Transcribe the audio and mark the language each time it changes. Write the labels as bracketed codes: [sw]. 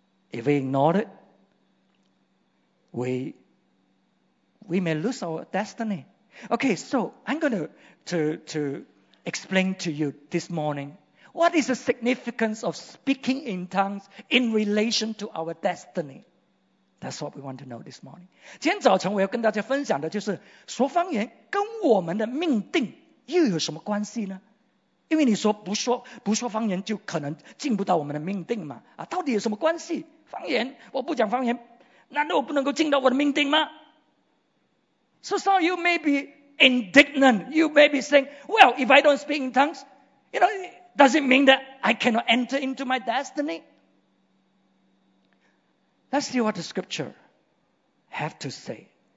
[en] If we ignore it, we may lose our destiny. Okay, so I'm going to explain to you this morning what is the significance of speaking in tongues in relation to our destiny. That's what we want to know this morning. [zh] 今天早晨我要跟大家分享的就是说方言跟我们的命定又有什么关系呢？因为你说不说方言就可能进不到我们的命定嘛，啊，到底有什么关系？方言我不讲方言，难道我不能够进到我的命定吗？ [en] So some of you may be indignant. You may be saying, well, if I don't speak in tongues, you know, does it mean that I cannot enter into my destiny? Let's see what the scripture have to say.